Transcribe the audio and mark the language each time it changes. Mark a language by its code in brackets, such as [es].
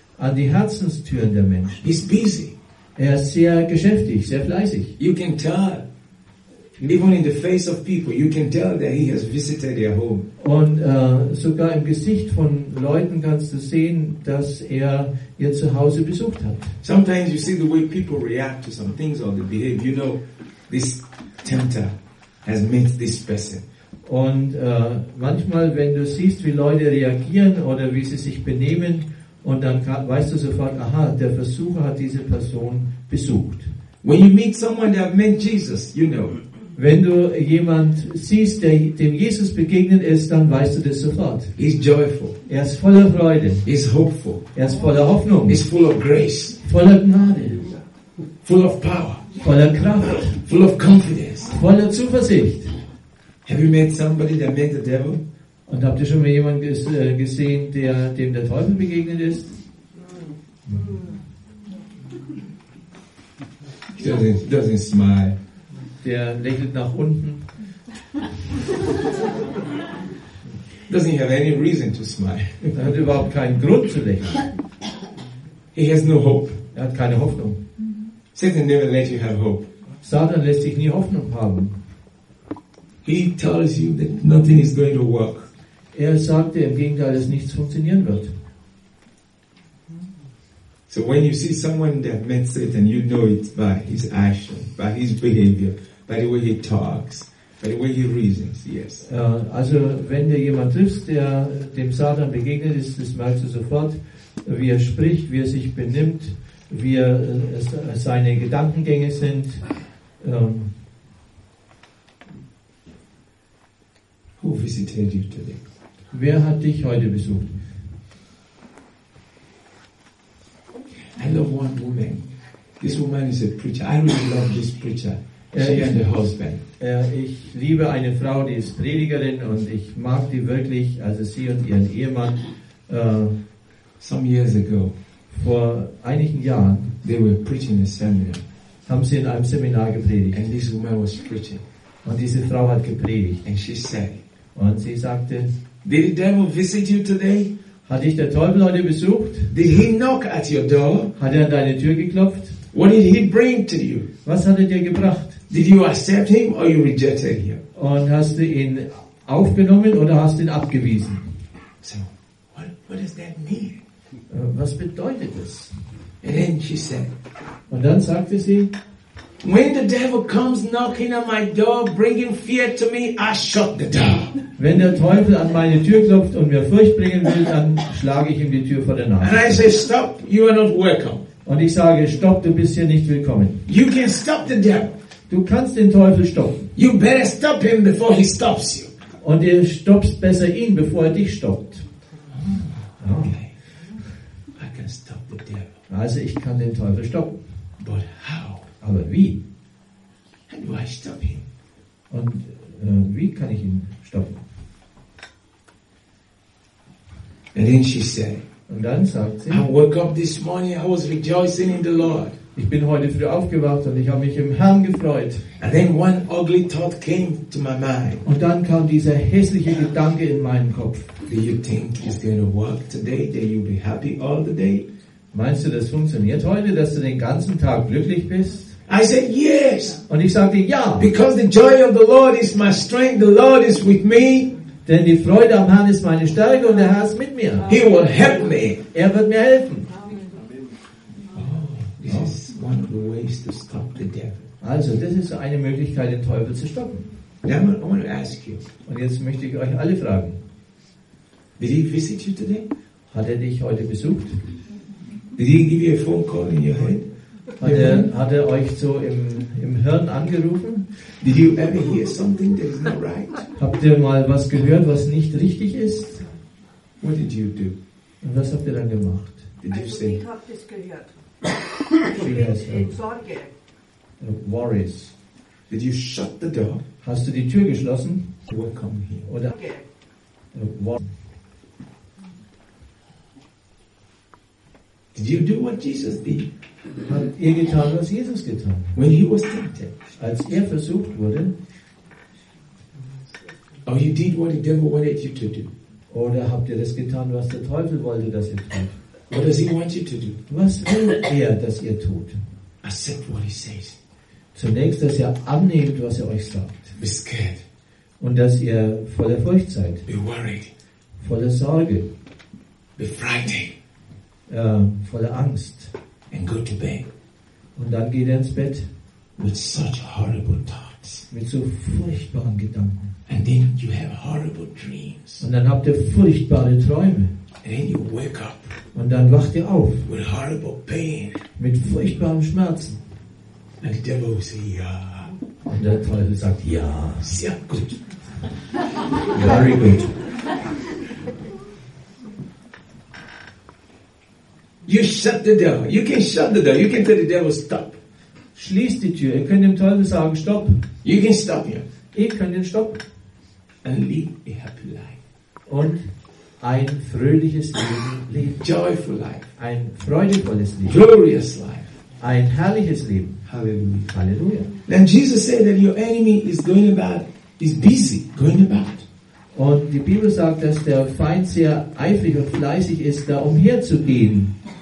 [de] An die Herzenstüren der Menschen. [en] He's busy. [de] Er ist sehr geschäftig, sehr fleißig. [en] You can tell. Even in the face of people, you can tell that he has visited their home. [de] Und sogar im Gesicht von Leuten kannst du sehen, dass er ihr Zuhause besucht hat. [en] Sometimes you see the way people react to some things or they behave. You know, this tempter has met this person. [de] Und manchmal, wenn du siehst, wie Leute reagieren oder wie sie sich benehmen, und dann weißt du sofort, aha, der Versucher hat diese Person besucht. [en] When you meet someone that met Jesus, you know. [de] Wenn du jemand siehst, der dem Jesus begegnet ist, dann weißt du das sofort. [en] He's joyful. [de] Er ist voller Freude. [en] He's hopeful. [de] Er ist voller Hoffnung. [en] He's full of grace. [de] Voller Gnade. [en] Full of power. [de] Voller Kraft. [en] Full of confidence. [de] Voller Zuversicht. [en] Have you met somebody that met the devil? [de] Und habt ihr schon mal jemanden gesehen, der dem der Teufel begegnet ist? [en] Doesn't smile. [de] Der lächelt nach unten. [en] Doesn't have any reason to smile. [de] Er hat überhaupt keinen Grund zu lächeln. [en] He has no hope. [de] Er hat keine Hoffnung. [en] Satan never let you have hope. [de] Satan lässt dich nie Hoffnung haben. [en] He tells you that nothing is going to work. [de] Er sagte im Gegenteil, dass nichts funktionieren wird. [en] So when you see someone that met Satan, you know it by his action, by his behavior, by the way he talks, by the way he reasons, yes. [de] Also wenn du jemanden triffst, der dem Satan begegnet ist, das merkst du sofort, wie er spricht, wie er sich benimmt, wie er, seine Gedankengänge sind. [en] Who visited you today? [de] Wer hat dich heute besucht? [en] I love one woman. This woman is a preacher. I really love this preacher. She and the husband. [de] Ich liebe eine Frau, die ist Predigerin, und ich mag die wirklich, also sie und ihren Ehemann. [en] Some years ago. [de] Vor einigen Jahren. [en] They were preaching a seminar. [de] Haben sie in einem Seminar gepredigt. [en] And this woman was preaching. [de] Und diese Frau hat gepredigt. [en] And she said. [de] Und sie sagte. [en] Did the devil visit you today? [de] Hat dich der Teufel heute besucht? [en] Did he knock at your door? [de] Hat an deine Tür geklopft? [en] What did he bring to you? [de] Was hat dir gebracht? [en] Did you accept him or you rejected him? [de] Und hast du ihn aufgenommen oder hast ihn abgewiesen? [en] So, what does that mean? [de] Was bedeutet das? [en] And then she said. [de] Und dann sagte sie. [en] When the devil comes knocking on my door, bringing fear to me, I shut the door. [de] Wenn der Teufel an meine Tür klopft und mir Furcht bringen will, dann schlage ich ihm die Tür vor der Nase. [en] And I say, stop, you are not welcome. [de] Und ich sage, stopp, du bist hier nicht willkommen. [en] You can stop the devil. [de] Du kannst den Teufel stoppen. [en] You better stop him before he stops you. [de] Und du stoppst besser ihn, bevor er dich stoppt. [en] Okay. I can stop the devil. [de] Also ich kann den Teufel stoppen. [en] But how? [de] Aber wie? [en] How do I stop him? [de] Und wie kann ich ihn stoppen? [en] And then she said, [de] und dann sagt sie, [en] I woke up this morning, I was rejoicing in the Lord. [de] Ich bin heute früh aufgewacht und ich habe mich im Herrn gefreut. [en] And then one ugly thought came to my mind. [de] Und dann kam dieser hässliche Gedanke in meinen Kopf. [en] Do you think it's going to work today, that you'll be happy all the day? [de] Meinst du, das funktioniert heute, dass du den ganzen Tag glücklich bist? [en] I said yes. [de] Und ich sagte ja. [en] Because the joy of the Lord is my strength. The Lord is with me. [de] Denn die Freude am Herrn ist meine Stärke und der Herr ist mit mir. [en] He will help me. [de] Er wird mir helfen. [en] Oh, this is one of the ways to stop the devil. [de] Also, das ist eine Möglichkeit, den Teufel zu stoppen. [en] Now I want to ask you. [de] Und jetzt möchte ich euch alle fragen. [en] Did he visit you today? [de] Hat er dich heute besucht? [en] Did he give you a phone call in your head? [de] Hat er euch so im Hirn angerufen? [en] Did you ever hear something that is not right? [de] Habt ihr mal was gehört, was nicht richtig ist? [en] What did you do? [de] Und was habt ihr dann gemacht? [en] Did you say? [de] Ich habe das gehört. Ich bin in Sorge. [en] worries. Did you shut the door? [de] Hast du die Tür geschlossen? [en] Welcome here. [de] Oder [en] did you do what Jesus did? [de] Hat ihr getan, was Jesus getan? [en] When he was tempted. [de] Als er versucht wurde. [en] Oh, you did what the devil wanted you to do. [de] Oder habt ihr das getan, was der Teufel wollte, dass ihr tut? [en] What does he want you to do? [de] Was will er, dass ihr tut? [en] Accept what he says. [de] Zunächst, dass ihr annehmt, was er euch sagt. [en] Be scared. [de] Und dass ihr voller Furcht seid. [en] Be worried. [de] Voller Sorge. [en] Be frightened. [de] Voller Angst. [en] And go to bed. [de] Und dann geht er ins Bett. [en] With such horrible thoughts. [de] Mit so furchtbaren Gedanken. [en] And then you have horrible dreams. [de] Und dann habt ihr furchtbare Träume. [en] And then you wake up. [de] Und dann wacht ihr auf. [en] With horrible pain. [de] Mit furchtbaren Schmerzen. [en] And the devil will say, yeah. [de] Und der Teufel sagt, ja. Sehr gut. [en] Very good. You shut the door. You can shut the door. You can tell the devil stop. [de] Schließ die Tür. Ihr könnt dem Teufel sagen, stopp. [en] You can stop him. [de] Ihr könnt ihn stoppen. [en] And lead a happy life. [de] Und ein fröhliches Leben leben. [en] Joyful life. [de] Ein freudvolles Leben. [en] Glorious life. [de] Ein herrliches Leben. [en] Hallelujah. [de] Halleluja. [en] Then Jesus said that your enemy is going about, is busy going about. [de] Und die Bibel sagt, dass der Feind sehr eifrig und fleißig ist, da umherzugehen.